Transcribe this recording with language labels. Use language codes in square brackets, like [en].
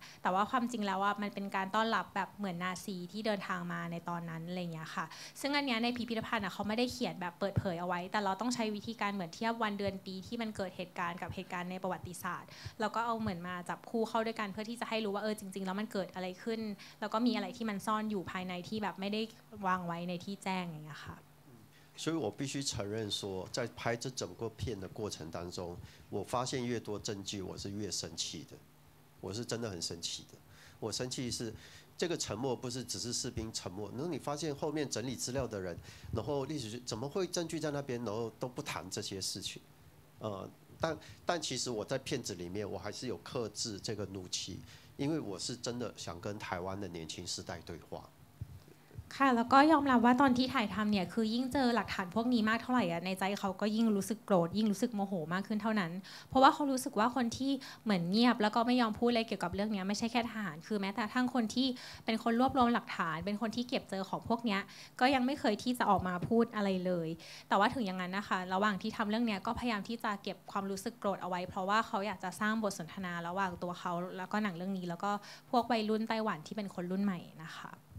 [th] แต่ว่าความจริงแล้วว่ามันเป็นการต้อนรับแบบเหมือนนาซีที่เดินทางมาในตอนนั้นอะไรอย่างเงี้ยค่ะซึ่งอันเนี้ยในพิพิธภัณฑ์อะเขาไม่ได้เขียนแบบเปิดเผยเอาไว้แต่เราต้องใช้วิธีการเหมือนเทียบวันเดือนปีที่มันเกิดเหตุการณ์กับเหตุการณ์ในประวัติศาสตร์แล้วก็เหมือนมาจับคู่เข้าด้วยกันเพื่อที่จะให้รู้ว่าจริงๆแล้วมันเกิดอะไรขึ้นแล้วก็มีอะไรที่มันซ่อนอยู่ภายในที่แบบไม่ได้วางไว้ในที่แจ้งอย่างเงี้ยค่ะ [zh] 所以我必须承认说在拍这整个片的过程当中我发现越多证据我是越生气的我是真的很生气的我生气是这个沉默不是只是士兵沉默，然后你发现后面整理资料的人，然后历史学怎么会证据在那边，然后都不谈这些事情，但其实我在片子里面我还是有克制这个怒气，因为我是真的想跟台湾的年轻世代对话。 [th] ค่ะแล้วก็ยอมรับว่าตอนที่ถ่ายทำเนี่ยคือยิ่งเจอหลักฐานพวกนี้มากเท่าไหร่อ่ะในใจเขาก็ยิ่งรู้สึกโกรธยิ่งรู้สึกโมโหมากขึ้นเท่านั้นเพราะว่าเขารู้สึกว่าคนที่เหมือนเงียบแล้วก็ไม่ยอมพูดอะไรเกี่ยวกับเรื่องนี้ไม่ใช่แค่ทหารคือแม้แต่ทั้งคนที่เป็นคนรวบรวมหลักฐานเป็นคนที่เก็บเจอของพวกนี้ก็ยังไม่เคยที่จะออกมาพูดอะไรเลยแต่ว่าถึงอย่างนั้นนะคะระหว่างที่ทำเรื่องนี้ก็พยายามที่จะเก็บความรู้สึกโกรธเอาไว้เพราะว่าเขาอยากจะสร้างบทสนทนาระหว่างตัวเขาแล้วก็หนังเรื่องนี้แล้วก็พวกวัยรุ่นไต้หวันที่เป็นคนรุ่นใหม่นะคะ